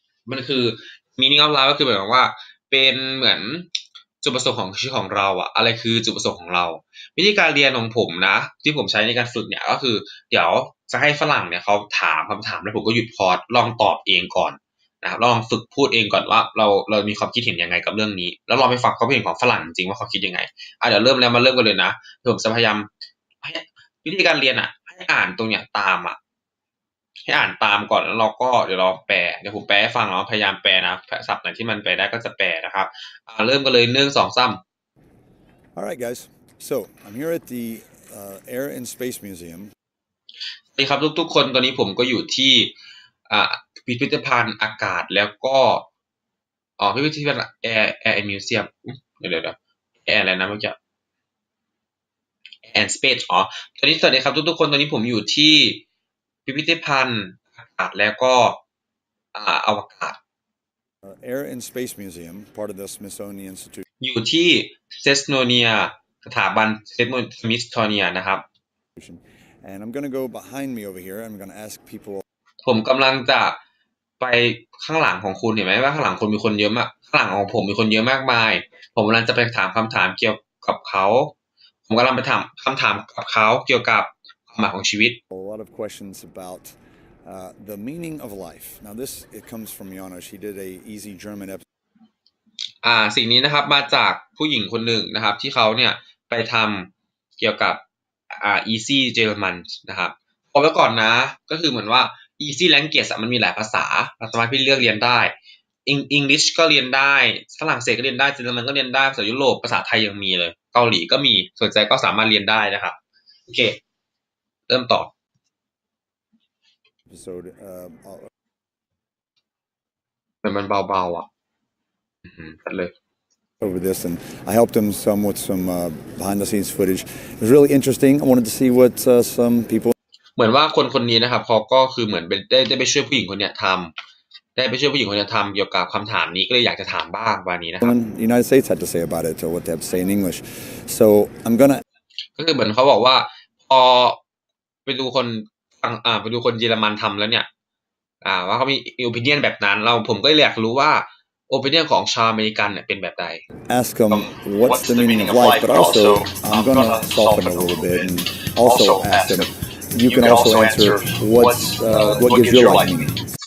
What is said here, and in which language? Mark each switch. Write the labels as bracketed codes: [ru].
[th] มันคือ [en] meaning of life [th] ก็คือหมายความว่าเป็นเหมือนจุดประสงค์ของชีวิตของเราอะอะไรคือจุดประสงค์ของเราวิธีการเรียนของผมนะที่ผมใช้ในการฝึกเนี่ยก็คือเดี๋ยวจะให้ฝรั่งเนี่ยเขาถามคำถามแล้วผมก็หยุดพอดลองตอบเองก่อนนะลองฝึกพูดเองก่อนว่าเรามีความคิดเห็นยังไงกับเรื่องนี้แล้วลองไปฟังความคิดเห็นของฝรั่งจริงว่าเขาคิดยังไงเดี๋ยวเริ่มแล้วมาเริ่มกันเลยนะผมจะพยายาม วิธีการเรียนอะให้อ่านตรงเนี้ยตามอะให้อ่านตามก่อนแล้วเราก็เดี๋ยวเราแปลเดี๋ยวผมแปลฟังเราพยายามแปลนะศัพท์ไหนที่มันแปลได้ก็จะแปลนะครับเริ่มกันเลยหนึ่งสองสาม [en] All right guys so I'm here at the Air and Space Museum [th] สวัสดีครับทุกๆคนตอนนี้ผมก็อยู่ที่พิพิธภัณฑ์อากาศแล้วก็พิพิธภัณฑ์ Air and Museum เดี๋ยว Air อะไรนะเมื่อกี้ Air and Space อ๋อตอนนี้สวัสดีครับทุกๆคนตอนนี้ผมอยู่ที่พิพิธภัณฑ์อากาศแล้วก็อวกาศ [en] Air and Space Museum part of the Smithsonian Institute [th] อยู่ที่ Smithsonian สถาบัน Smithsonian นะครับ [en] And I'm going to go behind me over here I'm going to ask people [th] ผมกำลังจะไปข้างหลังของคุณเห็นไหมว่าข้างหลังคุณมีคนเยอะมากข้างหลังของผมมีคนเยอะมากมายผมกำลังจะไปถามคำถามเกี่ยวกับเขาผมกำลังไปถามคำถามกับเขาเกี่ยวกับมาของชีวิต [en] A lot of questions about the meaning of life. Now this it comes from Yana. She did a easy German episode. [th] สิ่งนี้นะครับมาจากผู้หญิงคนหนึ่งนะครับที่เขาเนี่ยไปทำเกี่ยวกับeasy German นะครับบอกไว้ก่อนนะก็คือเหมือนว่า easy language มันมีหลายภาษาเราสามารถไปเลือกเรียนได้ English ก็เรียนได้ฝรั่งเศสก็เรียนได้เยอรมันก็เรียนได้ภาษายุโรปภาษาไทยยังมีเลยเกาหลีก็มีสนใจก็สามารถเรียนได้นะครับโอเคเริ่มต่อ episode มันเบาๆอ่ะเลย [en] over this and I helped him some with some behind the scenes footage it was really interesting I wanted to see what some people [th] เหมือนว่าคนนี้นะครับเขาก็คือเหมือนได้ไปช่วยผู้หญิงคนเนี้ยทำได้ไปช่วยผู้หญิงคนเนี้ยทำเกี่ยวกับคำถามนี้ก็เลยอยากจะถามบ้างวันนี้นะครับ [en] United States had to say about it or what they have to say in English so I'm gonna [th] ก็คือเหมือนเขาบอกว่าพอไปดูคนเยอรมันทำแล้วเนี่ยว่าเขามีโอปิเนียนแบบนั้นเราผมก็อยากรู้ว่าโอปิเนียนของชาวอเมริกันเนี่ยเป็นแบบใด [en] Ask them what's the meaning of life but also I'm gonna soften a little bit and also ask them you can also answer what gives your life meaning